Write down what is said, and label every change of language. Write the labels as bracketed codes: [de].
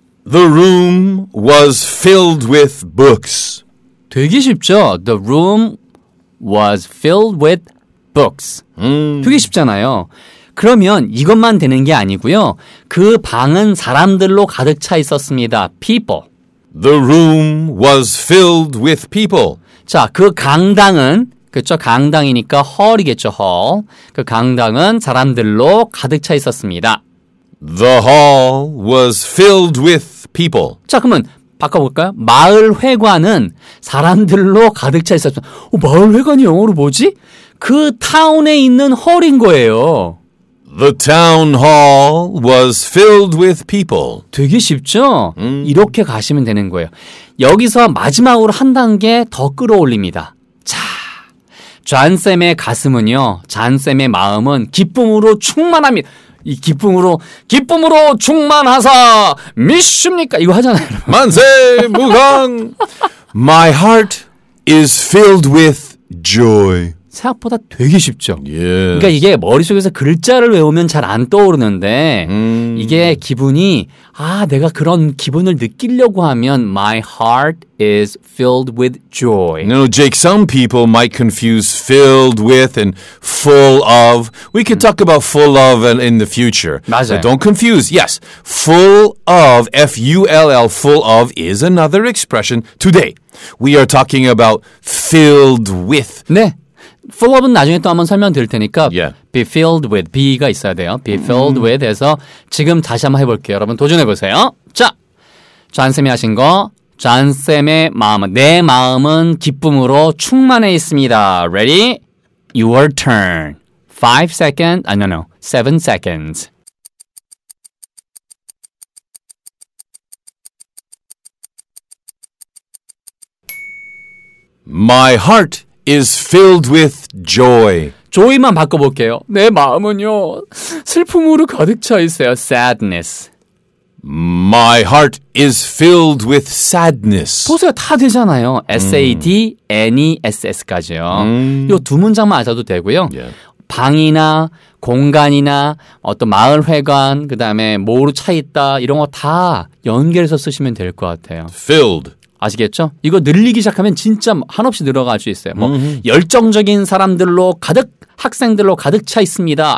[en] The room was filled with books. [ko] 되게 쉽죠? [en] The room was filled with books. [ko] 되게 쉽잖아요. 그러면 이것만 되는 게 아니고요. 그 방은 사람들로 가득 차 있었습니다. [en] People. The room was filled with people. [ko] 자, 그 강당은 그렇죠? 강당이니까 hall이겠죠, hall. 그 강당은 사람들로 가득 차 있었습니다. [en] The hall was filled with people. [ko] 자, 그러면 바꿔볼까요? 마을회관은 사람들로 가득 차 있었습니다. 어, 마을회관이 영어로 뭐지? 그 타운에 있는 홀인 거예요. [en] The town hall was filled with people. [ko] 되게 쉽죠? 이렇게 가시면 되는 거예요. 여기서 마지막으로 한 단계 더 끌어올립니다. 자, 잔쌤의 가슴은요. 잔쌤의 마음은 기쁨으로 충만합니다. 이 기쁨으로 충만하사 미십니까? 이거 하잖아요. 여러분. 만세 무강. [en] My heart is filled with joy. [ko] 생각보다 되게 쉽죠. [en] Yes. [ko] 그러니까 이게 머릿속에서 글자를 외우면 잘 안 떠오르는데 이게 기분이 아 내가 그런 기분을 느끼려고 하면 [en] My heart is filled with joy. You know, Jake, some people might confuse filled with and full of. We could talk about full of in the future. [ko] 맞아요. [en] So don't confuse. Yes, full of, F-U-L-L, full of is another expression. Today, we are talking about filled with. [ko] 네. Full of은 나중에 또 한번 설명드릴 테니까 [en] yeah. Be filled with, [ko] be가 있어야 돼요. [en] Be filled with [ko] 해서 지금 다시 한번 해볼게요. 여러분 도전해보세요. 자, 잔쌤이 하신 거 잔쌤의 마음은 내 마음은 기쁨으로 충만해 있습니다. [en] Ready? Your turn. 5 seconds, 7 seconds. My heart is filled with joy. [ko] Joy만 바꿔볼게요. 내 마음은요, 슬픔으로 가득 차 있어요. [en] Sadness. My heart is filled with sadness. [ko] 보세요, 다 되잖아요. S-A-D, N-E-S-S까지요. 요 두 문장만 아셔도 되고요. [en] Yeah. [ko] 방이나 공간이나 어떤 마을회관, 그 다음에 뭐로 차 있다, 이런 거 다 연결해서 쓰시면 될 것 같아요. [en] Filled. [ko] 아시겠죠? 이거 늘리기 시작하면 진짜 한없이 늘어갈 수 있어요. 뭐 열정적인 사람들로 가득, 학생들로 가득 차 있습니다.